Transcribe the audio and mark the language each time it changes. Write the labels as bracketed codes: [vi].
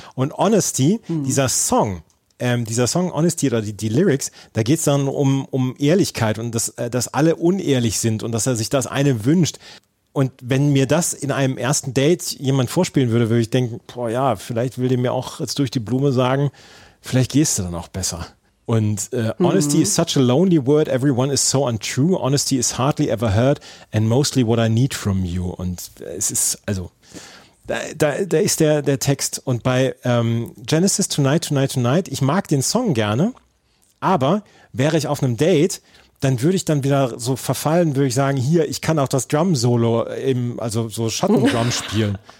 [de] Und Honesty, dieser Song Honesty oder die Lyrics, da geht es dann um Ehrlichkeit und dass alle unehrlich sind und dass er sich das eine wünscht. Und wenn mir das in einem ersten Date jemand vorspielen würde, würde ich denken, boah ja, vielleicht will der mir auch jetzt durch die Blume sagen, vielleicht gehst du dann auch besser. Und [en] Honesty is such a lonely word, everyone is so untrue, honesty is hardly ever heard and mostly what I need from you. [de] Und es ist, also, da ist der Text. Und bei Genesis Tonight, Tonight, Tonight, ich mag den Song gerne, aber wäre ich auf einem Date, dann würde ich dann wieder so verfallen, würde ich sagen, hier, ich kann auch das Drum-Solo eben, also so Schattendrum spielen.